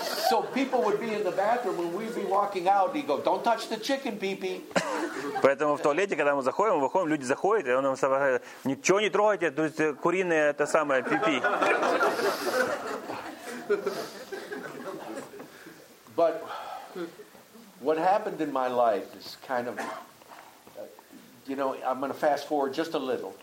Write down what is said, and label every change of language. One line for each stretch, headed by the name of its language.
English: So people would be in the bathroom and we'd be walking out, and he'd go, don't touch the chicken pee-pee.
Russian: Поэтому в туалете, когда мы заходим, люди заходят, и он нам говорит, ничего не трогайте, то есть куриное это самое пи-пи.
English: But what happened in my life is kind of, you know, I'm going to fast forward just a little.